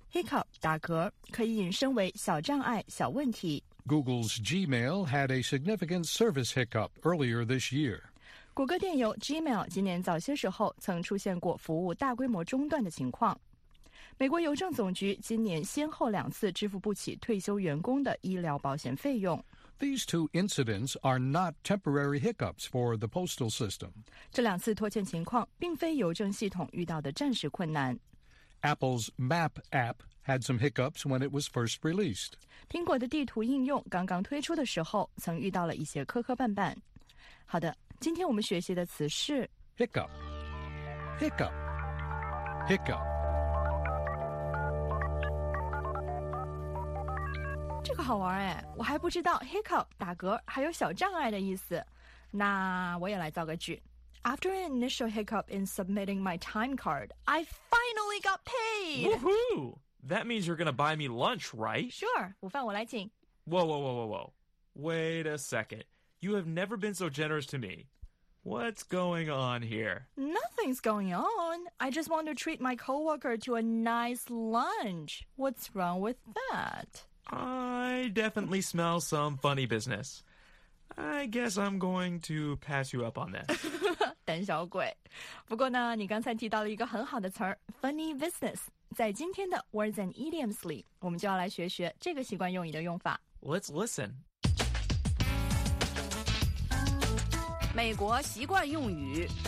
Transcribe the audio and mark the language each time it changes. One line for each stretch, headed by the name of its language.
Chinese: Hiccup, 打嗝，可以引申为小障碍、小问题。
English: Google's Gmail had a significant service hiccup earlier this year.
Chinese: 谷歌电邮 Gmail 今年早些时候曾出现过服务大规模中断的情况。美国邮政总局今年先后两次支付不起退休员工的医疗保险费用。
English: These two incidents are not temporary hiccups for the postal system.
Chinese: 这两次拖欠情况并非邮政系统遇到的暂时困难。
English: Apple's Map app had some hiccups when it was first released.
Chinese: 苹果的地图应用刚刚推出的时候曾遇到了一些磕磕绊绊。好的，今天我们学习的词是
English: Hiccup. Hiccup. Hiccup.
Chinese: 这个好玩哎，我还不知道 hiccup 打嗝还有小障碍的意思。那我也来造个句。
English: After an initial hiccup in submitting my time card, I finally got paid! Woohoo! That means you're gonna buy me lunch, right?
Chinese: Sure, 午饭我来请。
English: Whoa, whoa, whoa, whoa, whoa. Wait a second. You have never been so generous to me. What's going on here? Nothing's going on. I just want to treat my coworker to a nice lunch. What's wrong with that? I definitely smell some funny business. I guess I'm going to pass you up on this.
Chinese: 胆小鬼。不过呢，你刚才提到了一个很好的词儿 ,funny business. 在今天的 Words and Idioms 里，我们就要来学学这个习惯用语的用法。
English: Let's listen.
Chinese: 美国习惯用语